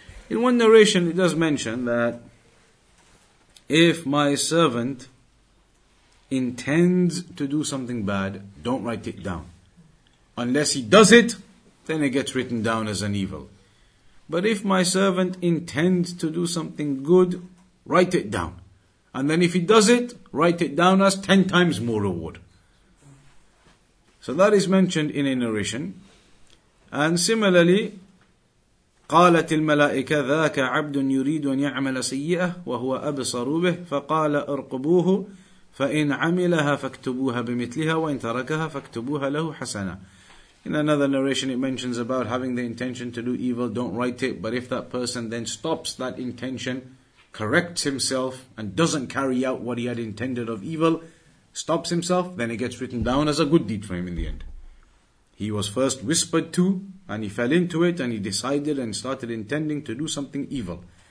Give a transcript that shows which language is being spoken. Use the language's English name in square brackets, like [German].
[English] In one narration it does mention that if my servant intends to do something bad, don't write it down. Unless he does it, then it gets written down as an evil. But if my servant intends to do something good, write it down. And then if he does it, write it down as 10 times more reward. So that is mentioned in a narration. And similarly, [Arabic] قالت الملائكة ذاك عبد يريد أن يعمل سيئة وهو أبصر به فقال أرقبوه فإن عملها فاكتبوها بمثلها وإن تركها فاكتبوها له حسنة. [English] In another narration it mentions about having the intention to do evil, don't write it, but if that person then stops that intention, corrects himself and doesn't carry out what he had intended of evil, stops himself, then it gets written down as a good deed for him in the end. He was first whispered to, and he fell into it, and he decided and started intending to do something evil.